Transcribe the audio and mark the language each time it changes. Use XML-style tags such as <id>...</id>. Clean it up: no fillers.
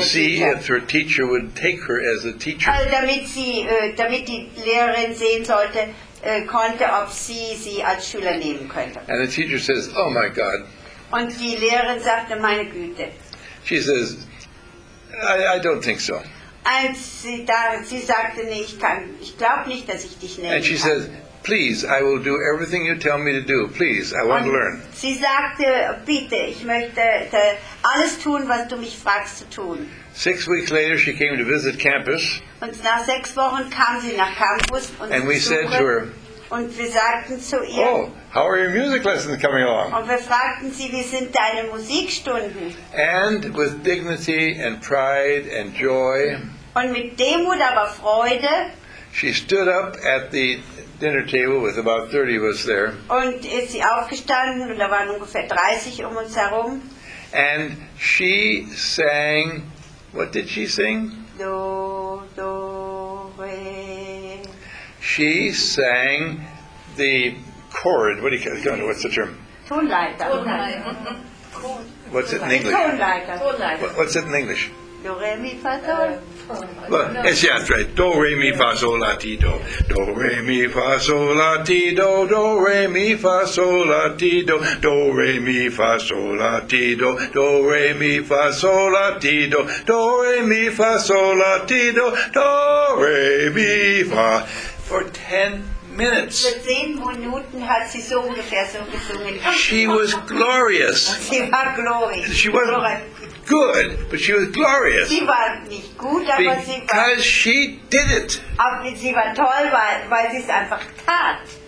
<en>To see if her teacher would take her as a teacher.</en> <de>Also damit sie damit die Lehrerin sehen sollte, konnte, ob sie als Schüler nehmen könnte.</de> <en>And the teacher says, oh my God.</en> <de>Und die Lehrerin sagte, meine Güte.</de> <en>She says, I don't think so.</en> <de>Sie sagte, nee, ich glaube nicht, dass ich dich nehmen</de> <en>And she</en> <de>kann.</de> <en>Says, Please, I will do everything you tell me to do. Please, I want to learn.</en> <de>Sie sagte, bitte, ich möchte alles tun, was du mich fragst zu tun.</de> <en>6 weeks later, she came to visit campus.</en> <de>Und nach 6 Wochen kam sie nach Campus und</de> <en>and we said to her,</en> <de>und wir sagten zu ihr,</de> <en>oh, how are your music lessons coming along?</en> <de>Und wir fragten sie, wie sind deine Musikstunden?</de> <en>And with dignity and pride and joy,</en> <de>und mit Demut, aber Freude,</de> <en>she stood up at the dinner table with about 30 of us there.</en> <de>Und ist sie aufgestanden und da waren ungefähr 30 um uns herum.</de> <en>And she sang, what did she sing? Do, do, re. She sang the chord, what do you call it? What's the term?</en> <de>Tonleiter.</de> <en>What's it in English?</en> <de>Tonleiter.</de> <en>What's it in English? Do, re, mi, fa, do. Well, it's yeah, right. Do re mi fa sol la ti do. Do re mi fa sol la ti do. Do re mi fa sol la ti do. Do re mi fa sol la ti do. Do re mi fa sol la ti do. Do re mi fa sol la ti do. Do re mi fa. For 10 minutes.</en> <de>Für 10 Minuten hat sie so ungefähr so gesungen.</de> <en>She was glorious.</en> <de>Sie war glorious.</de> <en>She was good, but she was glorious.</en> <de>Sie war nicht gut, aber</de> <en>because</en> <de>sie war.</de> <en>Because she did it.</en> <de>Aber sie war toll, weil sie es einfach tat.</de>